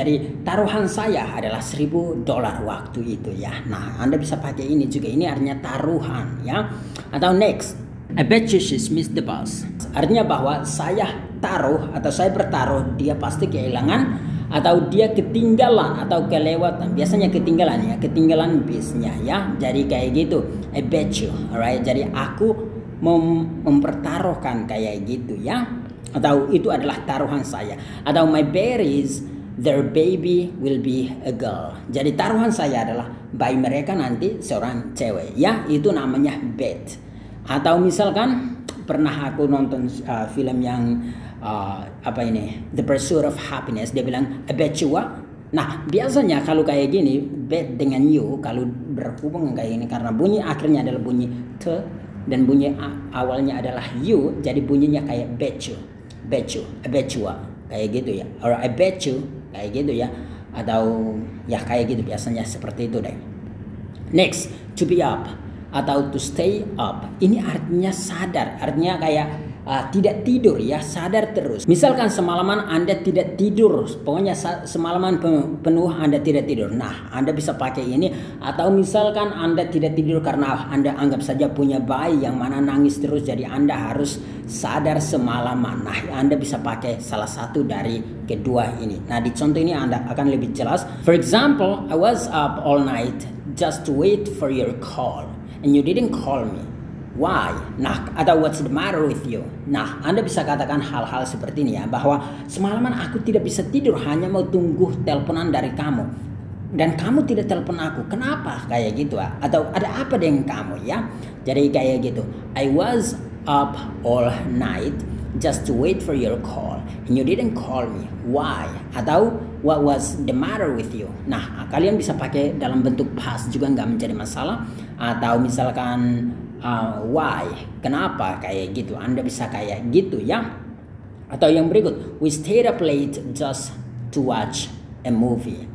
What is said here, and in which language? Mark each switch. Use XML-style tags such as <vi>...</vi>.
<id>Jadi taruhan saya adalah $1,000 waktu itu ya. Nah, Anda bisa pakai ini juga. Ini artinya taruhan ya. Atau</id> <en>next, I bet you she's missed the bus.</en> <id>Artinya bahwa saya taruh atau saya bertaruh dia pasti kehilangan atau dia ketinggalan atau kelewatan. Biasanya ketinggalan ya, ketinggalan bisnya ya. Jadi kayak gitu,</id> <en>I bet you, alright.</en> <id>Jadi aku mempertaruhkan kayak gitu ya. Atau itu adalah taruhan saya. Atau</id> <en>my bet is their baby will be a girl.</en> <id>Jadi taruhan saya adalah bayi mereka nanti seorang cewek ya, itu namanya bet. Atau misalkan pernah aku nonton film yang apa ini, The Pursuit of Happiness. Dia bilang,</id> <en>I bet you what?</en> <id>Nah, biasanya kalau kayak gini, bet dengan you kalau berhubungan kayak gini, karena bunyi akhirnya adalah bunyi te dan bunyi awalnya adalah you, jadi bunyinya kayak bet you.</id> <en>Bet you, I bet you what?</en> <id>Kayak gitu ya.</id> <en>Or I bet you,</en> <id>kayak gitu ya. Atau ya kayak gitu, biasanya seperti itu deh. Next,</id> <en>to be up</en> <id>atau</id> <en>to stay up.</en> <id>Ini artinya sadar, artinya kayak tidak tidur ya, sadar terus. Misalkan semalaman Anda tidak tidur, pokoknya semalaman penuh Anda tidak tidur. Nah, Anda bisa pakai ini. Atau misalkan Anda tidak tidur karena Anda anggap saja punya bayi yang mana nangis terus, jadi Anda harus sadar semalaman. Nah, Anda bisa pakai salah satu dari kedua ini. Nah, di contoh ini Anda akan lebih jelas.</id> <en>For example, I was up all night just to wait for your call and you didn't call me. Why?</en> <id>Nah, atau</id> <en>what's the matter with you?</en> <id>Nah, Anda bisa katakan hal-hal seperti ini ya, bahwa semalaman aku tidak bisa tidur hanya mau tunggu teleponan dari kamu. Dan kamu tidak telepon aku. Kenapa? Kayak gitu ya. Atau ada apa dengan kamu ya? Jadi kayak gitu.</id> <en>I was up all night just to wait for your call and you didn't call me. Why?</en> <id>Atau</id> <en>what was the matter with you?</en> <id>Nah, kalian bisa pakai dalam bentuk past juga enggak menjadi masalah. Atau misalkan why? Kenapa? Kayak gitu. Anda bisa kayak gitu ya. Atau yang berikut,</id> <en>we stayed up late just to watch a movie.</en>